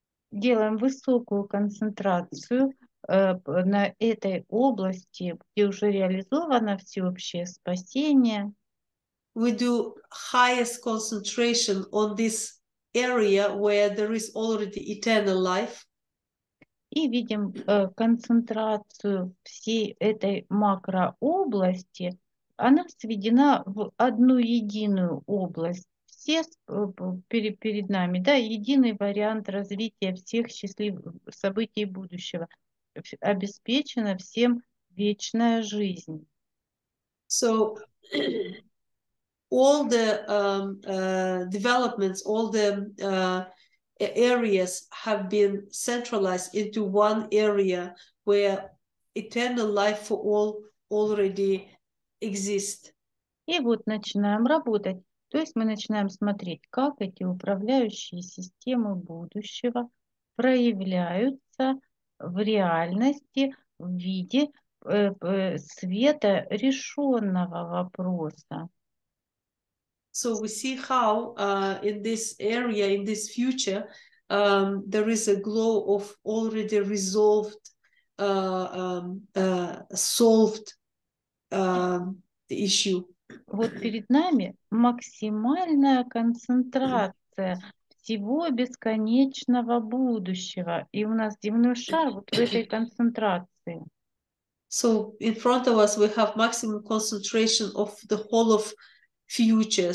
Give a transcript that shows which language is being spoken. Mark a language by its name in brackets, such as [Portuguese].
[Russian] Делаем высокую концентрацию на этой области, где уже реализовано всеобщее спасение. [English] We do highest concentration on this area where there is already eternal life. [Russian] И видим концентрацию всей этой макрообласти. Она сведена в одну единую область. Все перед нами, да, единый вариант развития всех счастливых событий будущего. Обеспечена всем вечная жизнь. [English] So all the developments, all the areas have been centralized into one area where eternal life for all already exists. [Russian] И вот начинаем работать. То есть мы начинаем смотреть, как эти управляющие системы будущего проявляются в реальности в виде света решенного вопроса. [English] So we see how in this area, in this future, there is a glow of already resolved, solved the issue. [Russian] Вот перед нами максимальная концентрация всего бесконечного будущего. И у нас земной шар вот в этой концентрации. [English] So in front of us we have maximum concentration of the whole of future.